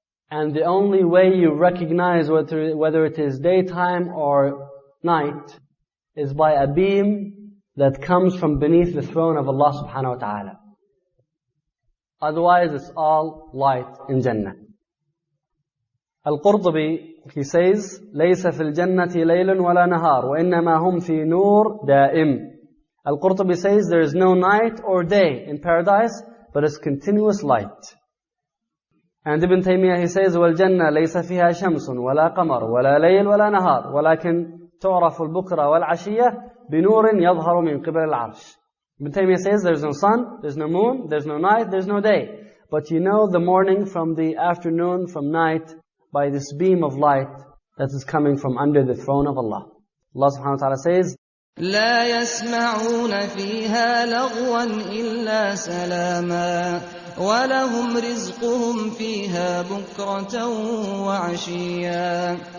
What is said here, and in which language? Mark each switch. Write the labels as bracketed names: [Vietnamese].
[English] And the only way you recognize whether it is daytime or night is by a beam that comes from beneath the throne of Allah subhanahu wa ta'ala. Otherwise, it's all light in Jannah. [Arabic] Al-Qurtubi, [English] he says, [Arabic] لَيْسَ فِي الْجَنَّةِ لَيْلٌ وَلَا نَهَارٌ وَإِنَّمَا هُمْ فِي نُورٌ دَائِمٌ. [English] Al-Qurtubi says, there is no night or day in paradise, but it's continuous light. And Ibn Taymiyyah, he says, [Arabic] وَالْجَنَّةِ لَيْسَ فِيهَا شَمْسٌ وَلَا قَمَرٌ وَلَا لَيْلٌ وَلَا نَهَارٌ وَلَكِنْ تُعْرَفُ الْبُكْرَ وَالْعَشِيَّةِ بِنُورٍ يَظْهَرُ مِنْ قِبَلِ الْعَرْشِ. [English] Ibn Taymiyyah says, there's no sun, there's no moon, there's no night, there's no day. But you know the morning from the afternoon, from night, by this beam of light that is coming from under the throne of Allah. Allah subhanahu wa ta'ala says, [Arabic] لَا يَسْمَعُونَ فِيهَا لَغْوًا إِلَّا سَلَامًا وَلَهُمْ رِزْقُهُمْ فِيهَا بُكْرَةً وَعَشِيًّا.